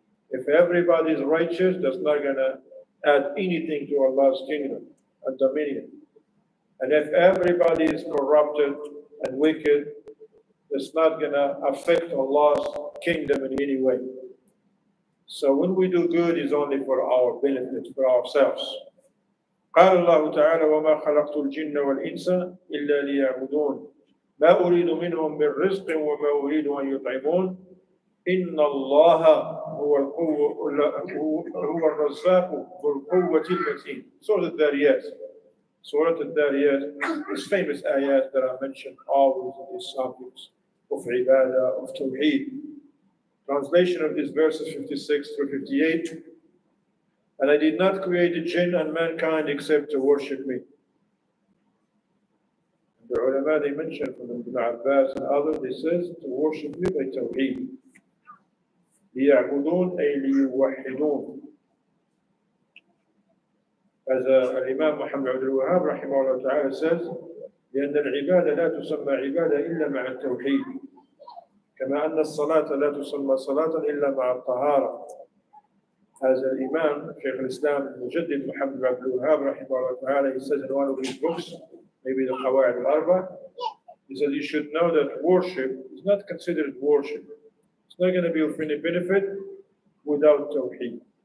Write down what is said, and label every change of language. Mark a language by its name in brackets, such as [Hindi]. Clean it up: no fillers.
[English] If everybody is righteous, that's not going to add anything to Allah's kingdom and dominion. And if everybody is corrupted and wicked, it's not going to affect Allah's kingdom in any way. So when we do good, it's only for our benefit, for ourselves. [Arabic] قال الله تعالى وما خلقت الجن والإنس إلا ليعبدون ما أريد منهم من رزق وما أريد أن يطعمون إن الله هو القوة هو الرزاق ذو القوة المتين. سورة الذاريات. [English] سورة الذاريات is famous ayat that are mentioned always in these subjects of ibadah, of tawheed. Translation of these verses 56 through 58. And I did not create the jinn and mankind except to worship me. The ulama, they mentioned from Ibn Abbas and others, they says to worship me by tawheed. [Arabic] ليعبدون أي ليوحدون. [English] As Imam Muhammad Abdul Wahhab [Arabic] رحمه الله تعالى [English] says, [Arabic] لأن العبادة لا تسمى عبادة إلا مع التوحيد. كما أن الصلاة لا تسمى صلاة إلا مع الطهارة. [English] As Imam Sheikh Islam Mujaddid Muhammad Abdul Wahhab [Arabic] رحمه الله تعالى, [English] he says in one of his books, maybe the Qawaid al-Arba, he says you should know that worship is not considered worship. Not going to be of any benefit without tawheed.